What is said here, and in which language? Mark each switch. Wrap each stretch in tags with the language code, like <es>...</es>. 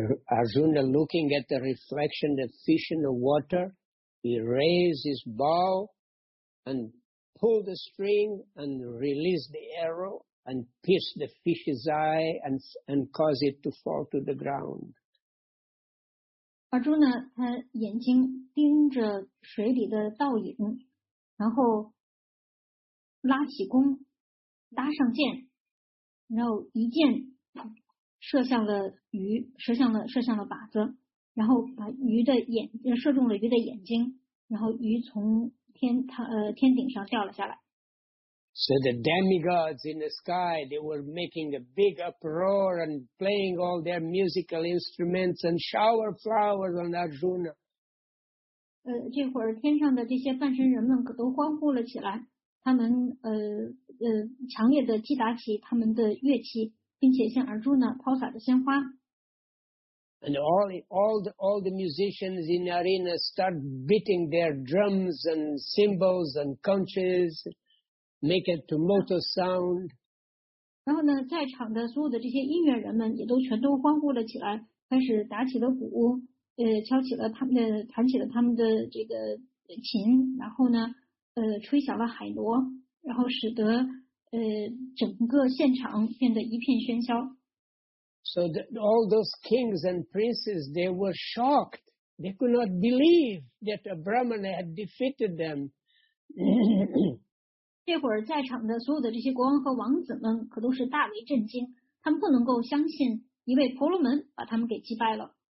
<en>Arjuna looking at the reflection of fish in the water. He raised his bow and pulled the string and released the arrow and pierced the fish's eye and caused it to fall to the ground.</en> <zh>Arjuna, 他眼睛盯着水里的倒影，然后拉起弓，搭上箭，然后一箭射向了鱼，射向了靶子，然后把鱼的眼射中了鱼的眼睛。然后鱼从天顶上掉了下来。</zh> <en>So the demigods in the sky, they were making a big uproar and playing all their musical instruments and shower flowers on Arjuna.</en> <zh>这会儿天上的这些半神人们可都欢呼了起来，他们强烈的击打起他们的乐器，并且向 Arjuna 抛洒着鲜花。</zh> <en>And all the musicians in the arena start beating their drums and cymbals and conches, make a tumultuous sound.</en> <zh>然后呢，在场的所有的这些音乐人们也都全都欢呼了起来，开始打起了鼓，弹起了他们的这个琴，然后呢，吹响了海螺，然后使得整个现场变得一片喧嚣。</zh> <en>So all those kings and princes, they were shocked. They could not believe that a Brahmana had defeated them.</en> <zh>这会儿在场的所有的这些国王和王子们可都是大为震惊，他们不能够相信一位婆罗门把他们给击败了。</zh>